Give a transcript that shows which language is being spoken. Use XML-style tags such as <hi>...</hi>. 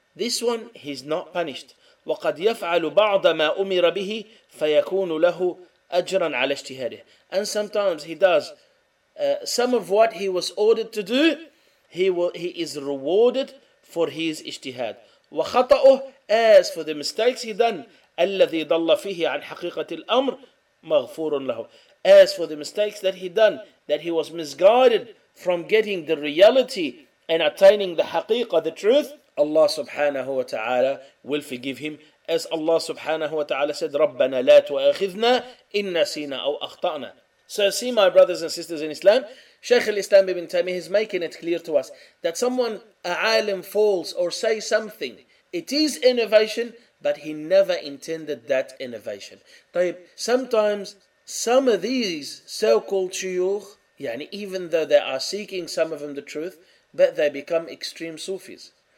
<en>This one, he's not punished.</en> <ar>وَقَدْ يَفْعَلُ بَعْضَ مَا أُمِرَ بِهِ فَيَكُونُ لَهُ أَجْرًا عَلَى اجْتِهَادِهِ.</ar> <en>And sometimes he does some of what he was ordered to do, he is rewarded for his ijtihad.</en> <ar>وَخَطَأُهُ,</ar> <en>as for the mistakes he done,</en> <ar>الَّذِي ضَلَّ فِيهِ عَنْ حَقِيقَةِ الْأَمْرِ مَغْفُورٌ لَهُ.</ar> <en>As for the mistakes that he done, that he was misguided from getting the reality and attaining the haqiqa, the truth, Allah subhanahu wa ta'ala will forgive him. As Allah subhanahu wa ta'ala said,</en> <ar>رَبَّنَا لَا تُؤَخِذْنَا إِنَّا سِينَا أَوْ أَخْطَأْنَا.</ar> <en>So see, my brothers and sisters in Islam, Shaykh al-Islam ibn Taymiyyah is making it clear to us that someone, a alim, falls or say something, it is innovation, but he never intended that innovation. طيب, sometimes some of these so-called shuyukh, yani even though they are seeking some of them the truth, but they become extreme Sufis.</en>